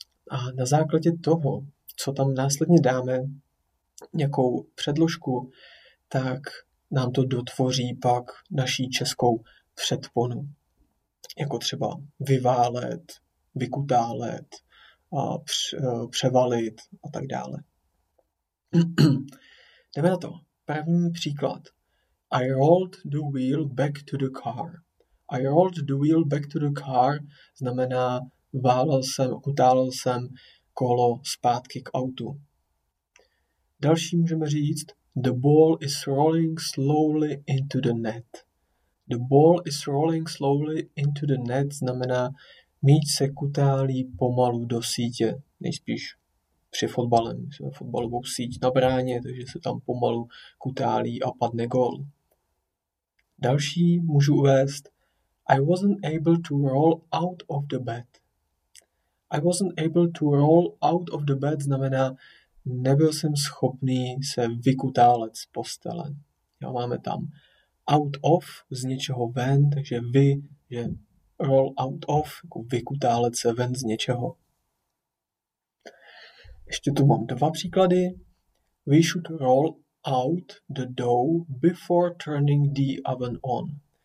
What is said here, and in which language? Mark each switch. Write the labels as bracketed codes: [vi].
[cs] A na základě toho, co tam následně dáme, nějakou předložku, tak nám to dotvoří pak naší českou předponu. Jako třeba vyválet, vykutálet, a převalit a tak dále. Jdeme na to. První příklad. [en] I rolled the wheel back to the car. I rolled the wheel back to the car [cs] znamená válel jsem, kutálel jsem kolo zpátky k autu. Další můžeme říct [en] the ball is rolling slowly into the net. The ball is rolling slowly into the net [cs] znamená míč se kutálí pomalu do sítě, nejspíš při fotbale. My jsme fotbalovou síť na bráně, takže se tam pomalu kutálí a padne gól. Další můžu uvést [en] I wasn't able to roll out of the bed. I wasn't able to roll out of the bed [cs] znamená nebyl jsem schopný se vykutálet z postele. Jo, máme tam out of, z něčeho ven, takže vy, že roll out of, jako vykutálet se ven z něčeho. Ještě tu mám dva příklady. [en] We should roll out the dough before turning the oven on.